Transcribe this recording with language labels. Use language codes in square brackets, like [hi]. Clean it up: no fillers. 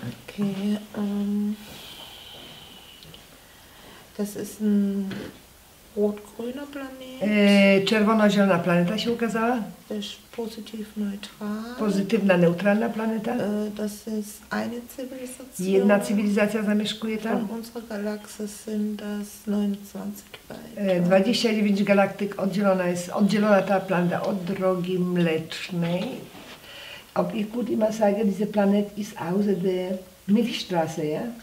[de] Okay, das ist ein rot-grüner Planet. [pl] Czerwono-zielona planeta się ukazała. Też pozytywno-neutral. Pozytywna, neutralna planeta. [de] Das ist eine Zivilisation. [pl] Jedna cywilizacja zamieszkuje tam. [de] Von unserer Galaxie sind das 29 [pl] galaktyk. 29 galaktyk oddzielona jest, oddzielona ta planeta od Drogi Mlecznej. [de] Ob ich gut immer sage, dieser Planet ist außer der Milchstraße, ja?